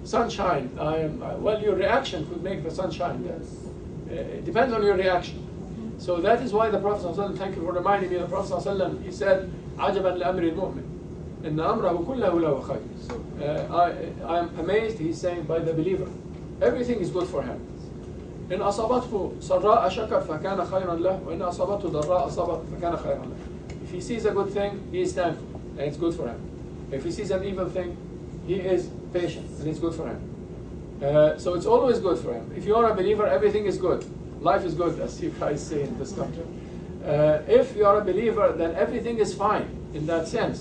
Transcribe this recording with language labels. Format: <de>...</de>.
<en>Sunshine. Your reaction could make the sunshine. Yes. It depends on your reaction. So that is why the Prophet ﷺ, thank you for reminding me, the Prophet ﷺ, he said,</en> <ar>عَجَبًا لِأَمْرِ الْمُؤْمِنِ إِنَّ أَمْرَهُ كُلَّهُ لَهُ خَيْرٌ.</ar> <en>So, I am amazed, he's saying, by the believer. Everything is good for him.</en> <ar>إن أصابته سراء شكر فكان خيرا له وإن أصابته ضراء أصاب فكان خيرا له.</ar> <en>If he sees a good thing, he is thankful and it's good for him. If he sees an evil thing, he is patient and it's good for him. So it's always good for him. If you are a believer, everything is good. Life is good, as you guys say in this country. If you are a believer, then everything is fine in that sense.</en>